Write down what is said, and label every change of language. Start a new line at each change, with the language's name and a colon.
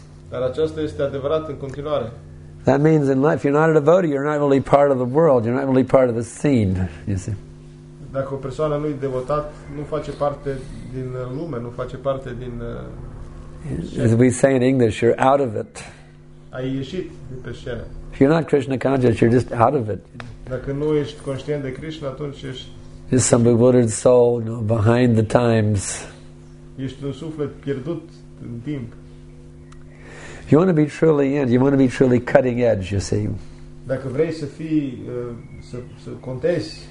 Romanian: Dar aceasta este adevărat în continuare.
English: That means in life, you're not a devotee, you're not really part of the world, you're not really part of the scene, you see.
Romanian: Dacă o persoană nu e devotat, nu face parte din lume, nu face parte din...
English: As we say in English, you're out of it.
Romanian: Ai ieșit de pe scenă.
English: If you're not Krishna conscious, you're just out of it.
Romanian: Dacă nu ești conștient de Krishna, atunci ești...
English: Just some bewildered soul, you know, behind the times.
Romanian: Ești un suflet pierdut în timp.
English: You want to be truly in. You want to be truly cutting edge. You see.
Romanian: Dacă vrei să fii, să contezi.